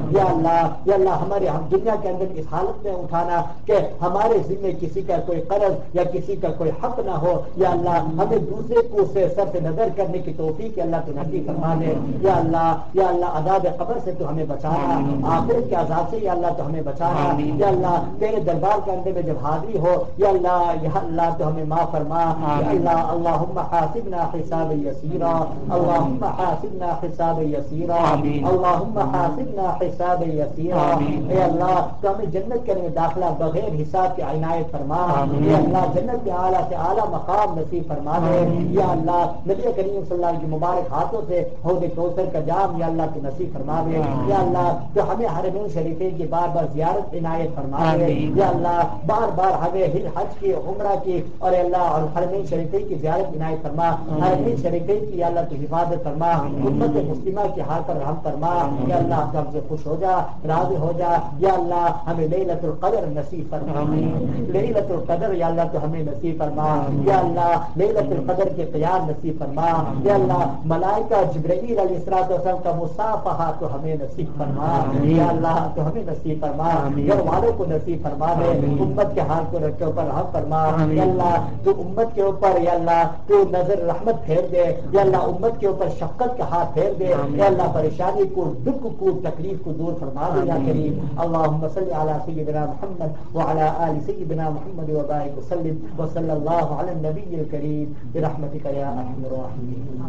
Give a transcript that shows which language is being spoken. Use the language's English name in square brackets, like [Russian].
[Urdu] یا اللہ, یا اللہ ہمارے ہم دنیا کے اندر اس حالت میں اٹھانا کہ ہمارے ذمے کسی کا کوئی قرض یا کسی کا کوئی حق نہ ہو. یا اللہ ہمیں دوسرے کو سے سر سے نظر کرنے کی توفیق اللہ تو نصیب فرما دے. یا اللہ, یا اللہ عذاب قبر سے تو ہمیں بچانا, آخر کے عذاب سے یا اللہ تو ہمیں بچانا. یا اللہ تیرے دربار کے اندر میں جب حاضری ہو یا اللہ, یا اللہ تو ہمیں معاف فرما. [Arabic] اللهم حاسبنا حساب يسيرا, اللهم حاسبنا حساب يسيرا, اللهم حاسبنا حساب يسيرا. [Urdu] اے اللہ تو ہمیں جنت کے اندر داخلہ بغیر حساب کے عنایت فرما. اے اللہ جنت کے اعلیٰ سے اعلیٰ مقام نصیب فرما دے. یا اللہ نبی کریم صلی اللہ علیہ وسلم کی مبارک ہاتھوں سے حوض کوثر کا جام یا اللہ کی نصیب فرما دے. یا اللہ تو ہمیں حرمین شریفین کی بار بار زیارت عنایت فرما دے. یا اللہ بار بار ہمیں حج کی, عمرہ کی, اور اللہ اور حرمین شریفین کی زیارت عنایت فرما. حرمین شریفین کی یا اللہ تو حفاظت فرما. امت مسلمہ کی حال پر رحم فرما. یا اللہ ہم سے خوش ہو جا, راضی ہو جا. یا اللہ ہمیں لیلۃ القدر نصیب فرما. لیلۃ القدر یا اللہ تو ہمیں نصیب فرما. یا اللہ لیلۃ القدر کے قیام نصیب فرما. یا اللہ ملائکہ جبرائیل علیہ الصلوۃ والسلام کا مصافحہ تو ہمیں نصیب فرما. یا اللہ تو ہمیں نصیب فرما. گھر والوں کو نصیب فرما دے. امت کے حال کو رکھے اوپر رحم فرما. یا اللہ تو امت کے اوپر یا اللہ تو نظر رحمت پھیر دے. یا اللہ امت کے اوپر شفقت کا ہاتھ پھیر دے. یا اللہ پریشانی کو, دکھ کو, تکلیف کو دور فرما دے. [Arabic] یا کریم اللهم صل على سيدنا محمد وعلى آل سيدنا محمد وبارك وسلم وصلى الله على النبي الكريم برحمتك يا ارحم الراحمين.